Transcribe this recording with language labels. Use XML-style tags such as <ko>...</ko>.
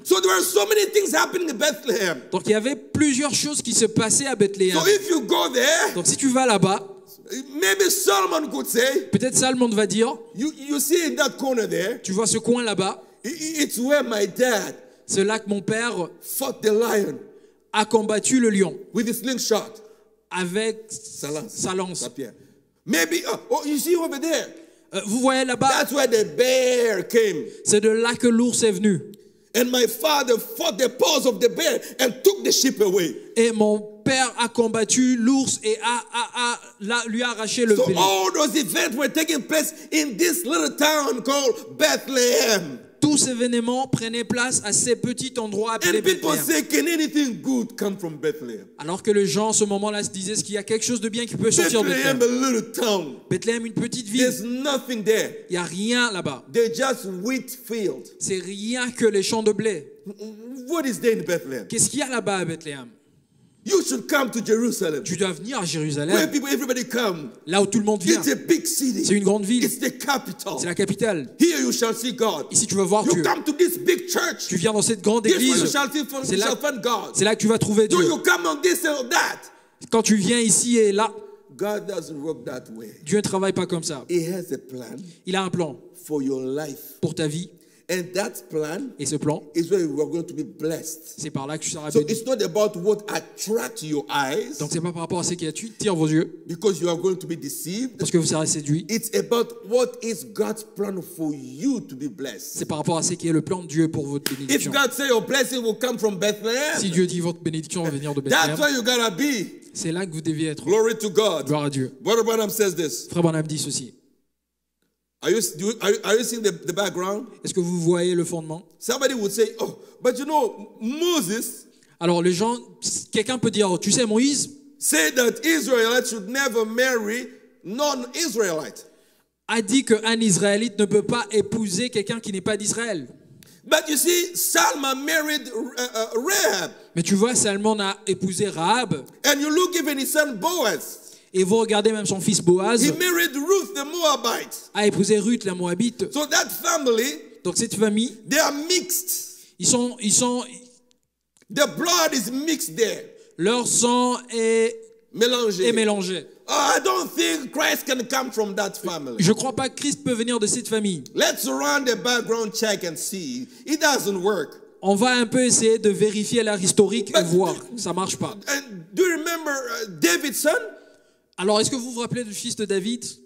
<en>So there were so many things happening in Bethlehem.</en> <fr>Donc il y avait plusieurs choses qui se passaient à Bethléem.</fr> <en>So if you go there,</en> <fr>donc si tu vas là-bas,</fr> <en>maybe Solomon could say,</en> <fr>peut-être Salomon va dire,</fr> <en>you see in that corner there,</en> <fr>tu vois ce coin là-bas,</fr> <en>it's where my dad,</en> <fr>c'est là que mon père</fr> <en>fought the lion,</en> <fr>a combattu le lion</fr> <en>with his slingshot,</en> <fr>avec sa lance.</fr> <en>Maybe you see over there.</en> <fr>Vous voyez là-bas,</fr> <en>that's where the bear came.</en> <fr>C'est de là que l'ours est venu.</fr> <en>And my father fought the paws of the bear and took the sheep away.</en> <fr>Et mon père a combattu l'ours et a lui a arraché le bélier.</fr> <en>So all those events were taking place in this little town called Bethlehem.</en> <fr>Tous ces événements prenaient place à ces petits endroits appelés</fr> <en>Bethlehem. And people say, can anything good come from Bethlehem?</en> <fr>Alors que les gens, à ce moment-là, se disaient qu'il y a quelque chose de bien qui peut sortir de</fr> <en>Bethlehem. Bethlehem, a little town.</en> <fr>Bethlehem, une petite ville.</fr> <en>There's nothing there.</en> <fr>Il n'y a rien là-bas.</fr> <en>They're just wheat fields.</en> <fr>C'est rien que les champs de blé.</fr> <en>What is there in Bethlehem?</en> <fr>Qu'est-ce qu'il y a là-bas à Bethlehem?</fr> <en>You should come to Jerusalem.</en> <fr>Tu dois venir à Jérusalem.</fr> <en>Where people, everybody come.</en> <fr>Là où tout le monde vient.</fr> <en>It's a big city.</en> <fr>C'est une grande ville.</fr> <en>It's the capital.</en> <fr>C'est la capitale.</fr> <en>Here you shall see God.</en> <fr>Ici tu vas voir</fr> <en>you</en> <fr>Dieu.</fr> <en>You come to this big church.</en> <fr>Tu viens dans cette grande église.</fr> <en>Here you shall see</en> <fr>c'est là,</fr> <en>find God.</en> <fr>C'est là que tu vas trouver Dieu.</fr> <en>Do you come on this or that?</en> <fr>Quand tu viens ici et là.</fr> <en>God doesn't work that way.</en> <fr>Dieu ne travaille pas comme ça.</fr> <en>He has a plan.</en> <fr>Il a un plan.</fr> <en>For your life.</en> <fr>Pour ta vie.</fr> <en>And that plan,</en> <fr>et ce plan</fr> <en>is where you are going to be blessed.</en> <fr>C'est par là que tu seras</fr> <en>so</en> <fr>béni.</fr> <en>It's not about what attracts your eyes.</en> <fr>Donc c'est pas par rapport à ce qui attire vos yeux.</fr> <en>Because you are going to be deceived.</en> <fr>Parce que vous serez séduit.</fr> <en>It's about what is God's plan for you to be blessed.</en> <fr>C'est par rapport à ce qui est le plan de Dieu pour votre bénédiction.</fr> <en>If God says your blessing will come from Bethlehem,</en> <fr>si Dieu dit votre bénédiction va venir de Bethlehem,</fr> <en>that's where you gotta be.</en> <fr>C'est là que vous devez être.</fr> <en>Glory to God.</en> <fr>Gloire à Dieu.</fr> <en>Brother Branham says this.</en> <fr>Frère Branham dit ceci.</fr> <en>Are you seeing the background?</en> <fr>Est-ce que vous voyez le fondement?</fr> <en>Somebody would say, oh, but you know, Moses.</en> <fr>Alors les gens, quelqu'un peut dire, oh, tu sais, Moïse.</fr> <en>Say that Israelites should never marry non-Israelite.</en> <fr>A dit que un Israélite ne peut pas épouser quelqu'un qui n'est pas d'Israël.</fr> <en>But you see, Salman married Rahab.</en> <fr>Mais tu vois, Salman a épousé Rahab.</fr> <en>And you look even his son Boaz.</en> <fr>Et vous regardez même son fils Boaz.</fr> <en>He married Ruth, the Moabite.</en> <fr>A épousé Ruth la Moabite.</fr> <en>So that family,</en> <fr>donc cette famille,</fr> <en>they are mixed.</en> <fr>Ils sont</fr> <en>the blood is mixed there.</en> <fr>Leur sang est mélangé.</fr> <en>Oh, I don't think Christ can come from that family.</en> <fr>Je crois pas que Christ peut venir de cette famille.</fr> <en>Let's run the background check and see. It doesn't work.</en> <fr>On va un peu essayer de vérifier leur historique et voir. Ça marche pas.</fr> <en>Do you remember David's son?</en> <fr>Alors, est-ce que vous vous rappelez du fils de David?</fr>